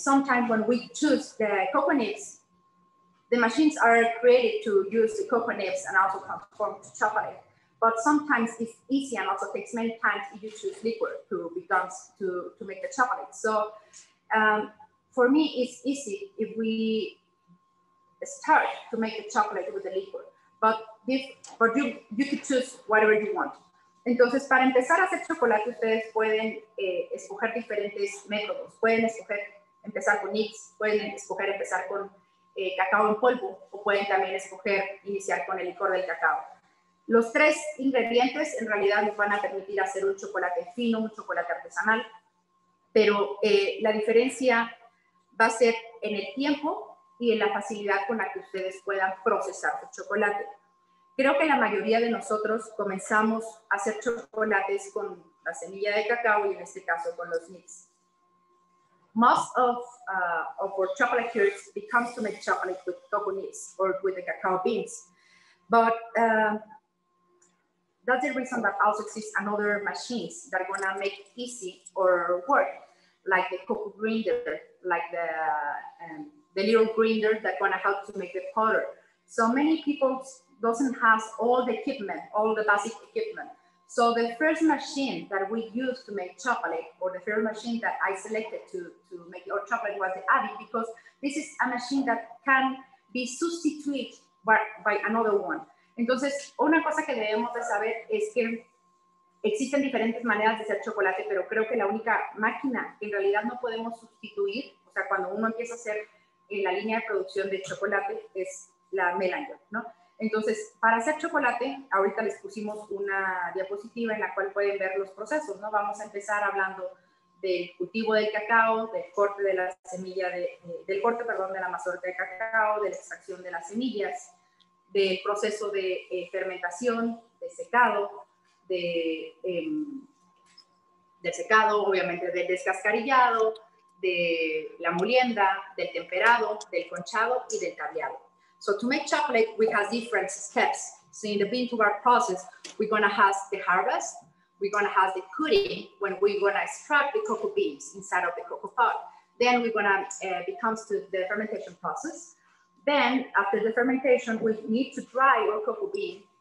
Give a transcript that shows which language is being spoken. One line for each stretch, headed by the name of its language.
English: Sometimes when we choose the coconuts, the machines are created to use the coconuts and also transform to chocolate. But sometimes it's easy and also takes many times if you choose liquid to become to make the chocolate. So for me, it's easy if we start to make the chocolate with the liquid. But you could choose whatever you want.
Spanish: Entonces, para empezar a hacer chocolate, ustedes pueden escoger diferentes métodos. Pueden escoger empezar con nibs, pueden escoger empezar con cacao en polvo, o pueden también escoger iniciar con el licor del cacao. Los tres ingredientes en realidad nos van a permitir hacer un chocolate fino, un chocolate artesanal, pero la diferencia va a ser en el tiempo y en la facilidad con la que ustedes puedan procesar su chocolate. Creo que la mayoría de nosotros comenzamos a hacer chocolates con la semilla de cacao y en este caso con los nibs.
English: Most of our chocolateers becomes to make chocolate with cocoa nibs or with the cacao beans. But that's the reason that also exists another machines that are gonna make easy or work, like the cocoa grinder, like the little grinder that gonna help to make the powder. So many people doesn't have all the equipment, all the basic equipment. So the first machine that we use to make chocolate, or the first machine that I selected to make our chocolate, was the Abbey, because this is a machine that can be substituted by another one.
Spanish: Entonces, una cosa que debemos de saber es que existen diferentes maneras de hacer chocolate, pero creo que la única máquina que en realidad no podemos sustituir, o sea, cuando uno empieza a hacer la línea de producción de chocolate, es la Melanger, ¿no? Entonces, para hacer chocolate, ahorita les pusimos una diapositiva en la cual pueden ver los procesos, ¿no? Vamos a empezar hablando del cultivo del cacao, del corte de la semilla, de la mazorca de cacao, de la extracción de las semillas, del proceso de fermentación, de secado, de secado, obviamente, del descascarillado, de la molienda, del temperado, del conchado y del cableado.
English: So to make chocolate, we have different steps. So in the bean to bar process, we're gonna have the harvest, we're gonna have the cutting, when we're gonna extract the cocoa beans inside of the cocoa pod. Then we're gonna become to the fermentation process. Then after the fermentation, we need to dry our cocoa bean.